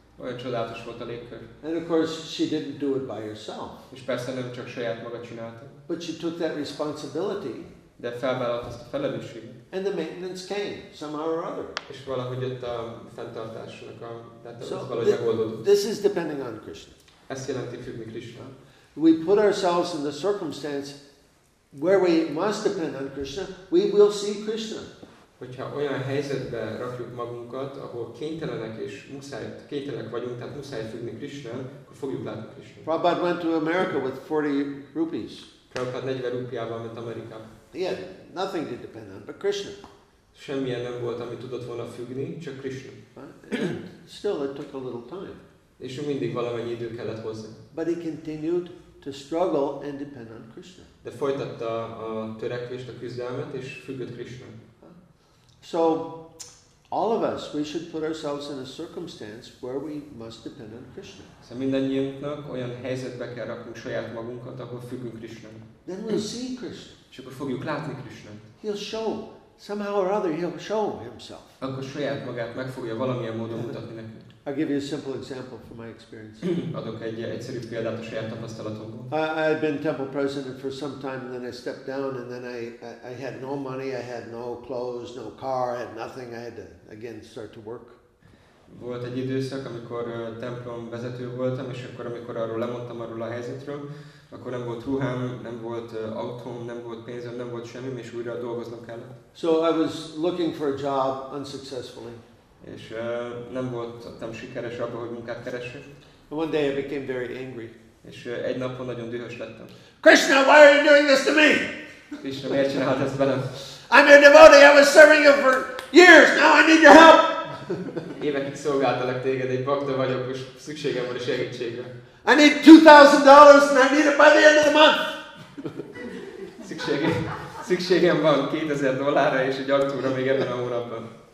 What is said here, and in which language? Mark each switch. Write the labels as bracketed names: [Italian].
[Hungarian] Olyan csodálatos volt a légkör. [English] And of course, she didn't do it by herself. [Hungarian] És persze nem csak saját maga csinálta. [English] But she took that responsibility. [Hungarian] De felvállalt ezt a felelősséget. [English] And the maintenance came somehow or other. [Hungarian] És valahogy jött a fenntartásnak a [English] This is depending on Krishna. [Hungarian] Ezt jelenti függni Krishna. [English] We put ourselves in the circumstance where we must depend on Krishna. We will see Krishna. [Hungarian] Hogyha olyan helyzetbe rakjuk magunkat, ahol kénytelenek és kénytelenek vagyunk, tehát muszáj függni Krishna, akkor fogjuk látni Krishna. [English] Prabhupada went to America with 40 rupees. [Hungarian] Prabhupada 40 rupiával ment Amerikába. [English] Yeah, nothing to depend on but Krishna. [Hungarian] Semmilyen nem volt, ami tudott volna függni, csak Krishna. [English] Still it took a little time. [Hungarian] És mindig valamennyi idő kellett hozzá. [English] But he continued to struggle and depend on Krishna. [Hungarian] De folytatta a törekvést, a küzdelmet és függött Krishna. [English] So all of us we should put ourselves in a circumstance where we must depend on Krishna. [Hungarian] Szóval mindannyiunknak olyan helyzetbe kell raknunk saját magunkat, ahol függünk Krishnán. [English] Then we'll see Krishna. [Hungarian] És akkor fogjuk látni Krishnát. [English] He'll show somehow or other he'll show himself. [Hungarian] Akkor saját magát meg fogja valamilyen módon mutatni nekünk. [English] I'll give you a simple example from my experience. [Hungarian] Adok egy egyszerű példát a saját tapasztalatomból. [English] I had been temple president for some time, and then I stepped down, and then I had no money, I had no clothes, no car, I had nothing. I had to again start to work. [Hungarian] Volt egy időszak, amikor templom vezető voltam, és akkor amikor arról lemondtam arról a helyzetről, akkor nem volt ruhám, nem volt autóm, nem volt pénzem, nem volt semmi, és újra dolgoznom kellett. [English] So I was looking for a job unsuccessfully. [Hungarian] És nem voltam sikeres abban, hogy munkát keresek. [English] One day I became very angry. [Hungarian] És egy napon nagyon dühös lettem. [English] Krishna, why are you doing this to me? [Hungarian] Krishna, miért csinálod ezt velem? [English] I'm your devotee, I was serving you for years, now I need your help! [Hungarian] Évekig szolgáltalak téged, egy bakta vagyok, és szükségem van a segítségre. [English] I need $2,000 and I need it by the end of the month! [Hungarian] Szükségem. Szükségem van $2,000 és egy arcúra még ebben a hónapban.